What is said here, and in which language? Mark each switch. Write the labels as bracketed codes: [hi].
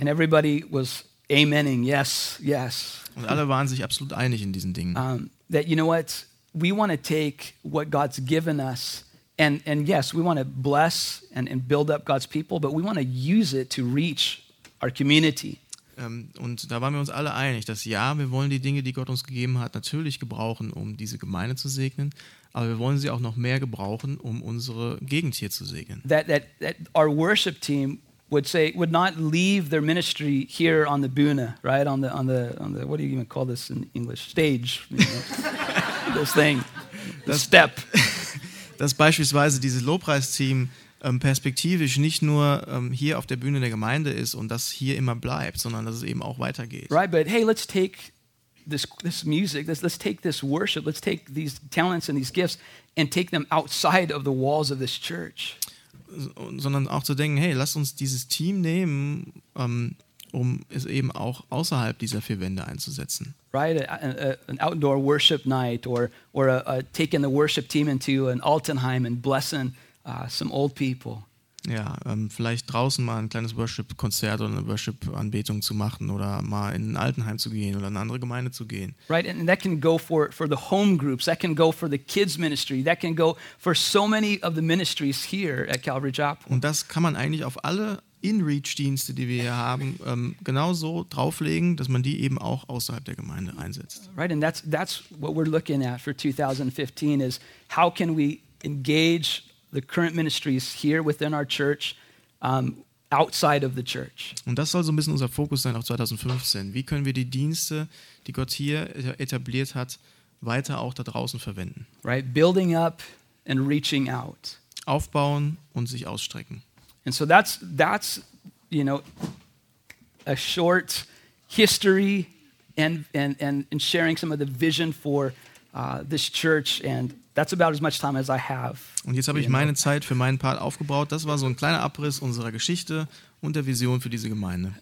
[en] And everybody was amening, yes, yes. [de] Und alle waren sich absolut einig in diesen Dingen. [en] That you know what. We want to take what God's given us and yes, we want to bless and build up God's people, but we want to use it to reach our community. [de] Und da waren wir uns alle einig, dass ja, wir wollen die Dinge, die Gott uns gegeben hat, natürlich gebrauchen, um diese Gemeinde zu segnen, aber wir wollen sie auch noch mehr gebrauchen, um unsere Gegend hier zu segnen. [en] That our worship team would not leave their ministry here on the bühne, right? On the what do you even call this in English? Stage, you know? This thing, the step. [de] Dass beispielsweise dieses Lobpreisteam perspektivisch nicht nur hier auf der Bühne der Gemeinde ist und das hier immer bleibt, sondern dass es eben auch weitergeht. [en] Right, but hey, let's take this music, let's take this worship, let's take these talents and these gifts and take them outside of the walls of this church. [de] Sondern auch zu denken, hey, lass uns dieses Team nehmen, um es eben auch außerhalb dieser vier Wände einzusetzen. [en] Right, an outdoor worship night or taking the worship team into an Altenheim and blessing some old people. [de] Ja, vielleicht draußen mal ein kleines Worship-Konzert oder eine Worship-Anbetung zu machen oder mal in ein Altenheim zu gehen oder in eine andere Gemeinde zu gehen. [en] Right, and that can go for the home groups, that can go for the kids ministry, that can go for so many of the ministries here at Calvary Chapel. [de] Und das kann man eigentlich auf alle In-Reach-Dienste, die wir hier haben, genauso drauflegen, dass man die eben auch außerhalb der Gemeinde einsetzt. [en] Right, and that's what we're looking at for 2015 is how can we engage the current ministries here within our church outside of the church. [de] Und das soll so ein bisschen unser Fokus sein auf 2015. Wie können wir die Dienste, die Gott hier etabliert hat, weiter auch da draußen verwenden? [en] Right, building up and reaching out. [de] Aufbauen und sich ausstrecken. [en] And so that's you know a short history and sharing some of the vision for this church, and that's about as much time as I have. [de] Und jetzt habe ich meine Zeit für meinen Part aufgebraut. Das war so ein kleiner Abriss unserer Geschichte und der Vision für diese Gemeinde.